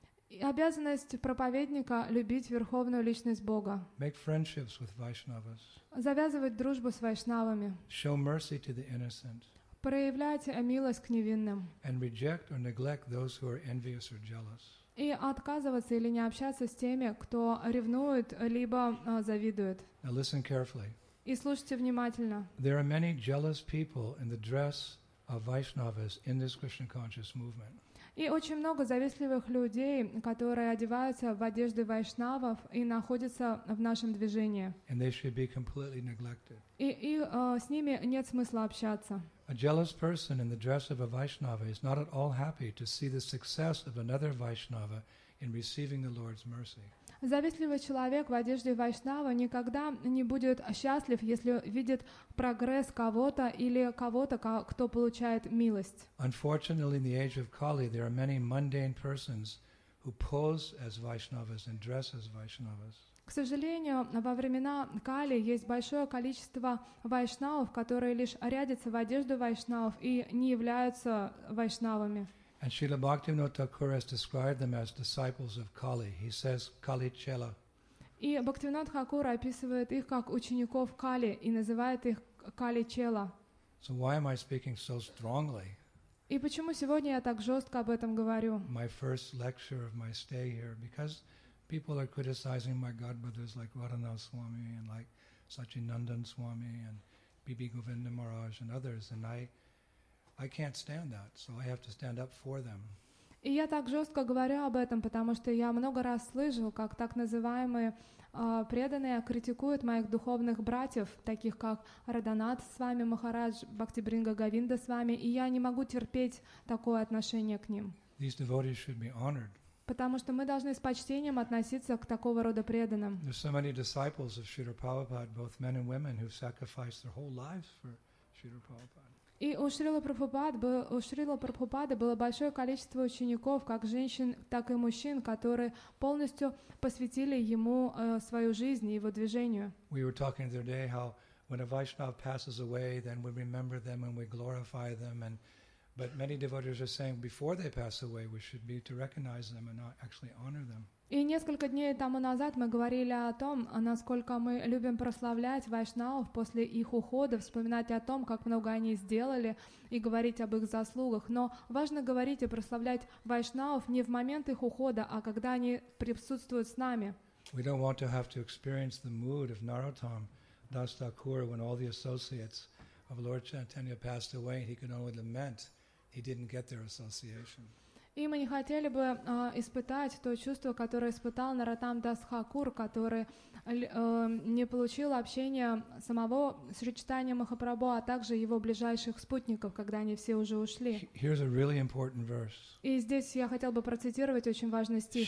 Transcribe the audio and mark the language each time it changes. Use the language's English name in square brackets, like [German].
[Russian] И обязанность проповедника — любить Верховную Личность Бога. [English] Make friendships with Vaishnavas. [Russian] Завязывать дружбу с вайшнавами. [English] Show mercy to the innocent. [Russian] Проявлять милость к невинным. [English] And reject or neglect those who are envious or jealous. [Russian] И отказываться или не общаться с теми, кто ревнует либо завидует. [English] Now listen carefully. [Russian] И слушайте внимательно. [English] There are many jealous people in the dress of Vaishnavas in this Krishna conscious movement. [Russian] И очень много завистливых людей, которые одеваются в одежды вайшнавов и находятся в нашем движении. [English] And they should be completely neglected. [Russian] И с ними нет смысла общаться. [English] A jealous person in the dress of a Vaishnava is not at all happy to see the success of another Vaishnava in receiving the Lord's mercy. [Russian] Завистливый человек в одежде вайшнава никогда не будет счастлив, если видит прогресс кого-то или кого-то, кто получает милость. [English] Unfortunately, in the age of Kali, there are many mundane persons who pose as Vaishnavas and dress as Vaishnavas. [Russian] К сожалению, во времена Кали есть большое количество вайшнавов, которые лишь рядятся в одежду вайшнавов и не являются вайшнавами. [English] And Srila Bhaktivinoda Thakur has described them as disciples of Kali. He says, Kali Chela. [Russian] И Бхактивинод Хакур описывает их как учеников Кали и называет их Kali Chela. [English] So why am I speaking so strongly? [Russian] И почему сегодня я так жестко об этом говорю? [English] My first lecture of my stay here, because people are criticizing my godbrothers like Radhanath Swami and like Sachinandan Swami and Bibi Govinda Maharaj and others, and I can't stand that, so I have to stand up for them. [Russian] И я так жестко говорю об этом, потому что я много раз слышал, как так называемые преданные критикуют моих духовных братьев, таких как Раданат с вами, Махарадж, Бхактибринга Говинда с вами, и я не могу терпеть такое отношение к ним. [English] These devotees should be honored. [Russian] Потому что мы должны с почтением относиться к такого рода преданным. [English] There are so many disciples of Srila Prabhupada, both men and women, who sacrificed their whole lives for Srila Prabhupada. [Russian] И у Шрилы Прабхупады было большое количество учеников, как женщин, так и мужчин, которые полностью посвятили ему свою жизнь и его движению. [English] We were talking the other day how when a Vaishnava passes away, then we remember them and we glorify them. But many devotees are saying before they pass away, we should be to recognize them and not actually honor them. [Russian] И несколько дней тому назад мы говорили о том, насколько мы любим прославлять вайшнавов после их ухода, вспоминать о том, как много они сделали, и говорить об их заслугах. Но важно говорить и прославлять вайшнавов не в момент их ухода, а когда они присутствуют с нами. [English] We don't want to have to experience the mood of Narottam Das Thakur when all the associates of Lord Chaitanya passed away and he could only lament he didn't get their association. [Russian] И мы не хотели бы испытать то чувство, которое испытал Наратам Дас Хакур, который не получил общения самого Шри Чайтаньи Махапрабху, а также его ближайших спутников, когда они все уже ушли. [English] Here's a really important verse. [Russian] И здесь я хотел бы процитировать очень важный стих.